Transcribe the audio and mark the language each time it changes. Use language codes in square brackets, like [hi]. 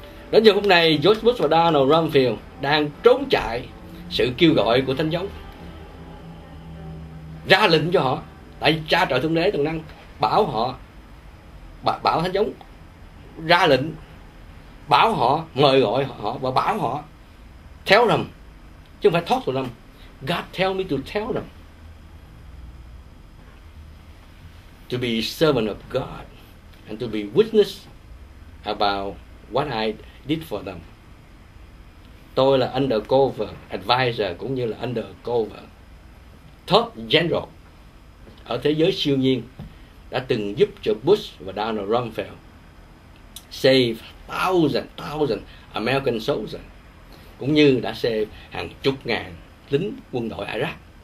[vi] Đến giờ hôm nay George Bush và Donald Rumsfeld đang trốn chạy sự kêu gọi của Thánh Gióng ra lệnh cho họ, tại Cha Trời Thượng Đế Toàn Năng bảo họ, bảo Thánh Gióng ra lệnh, bảo họ, mời gọi họ và bảo họ theo rầm, chứ không phải thoát rồi lầm. [en] God tell me to tell them to be servant of God and to be witness about what I did for them. [vi] Tôi là [en] undercover advisor [vi] cũng như là [en] undercover top general [vi] ở thế giới siêu nhiên, đã từng giúp cho Bush và Donald Rumsfeld [en] save thousand American soldiers, [vi] cũng như đã save hàng chục ngàn lính quân đội Iraq.